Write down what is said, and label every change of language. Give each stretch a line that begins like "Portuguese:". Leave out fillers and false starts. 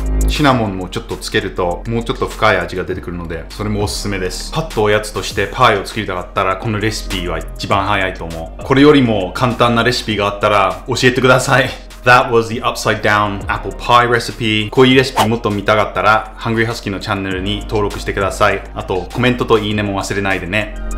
Japanese: シナモンもちょっとつけるともうちょっと深い味が出てくるのでそれもおすすめです。パッとおやつとしてパイを作りたかったらこのレシピは一番早いと思う。これよりも簡単なレシピがあったら教えてください。
English: That was the upside down apple pie recipe.
Japanese: こういうレシピもっと見たかったら Hungry Husky のチャンネルに登録してください。あとコメントといいねも忘れないでね。